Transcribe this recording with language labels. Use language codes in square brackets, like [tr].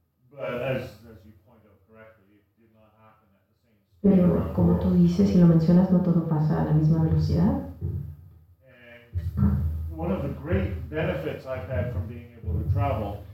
[en] But as you point out correctly, it did not happen at the same speed. [es] Pero como tú dices y lo mencionas, no todo pasa a la misma velocidad. [en] And one of the great benefits I've had from being able to travel.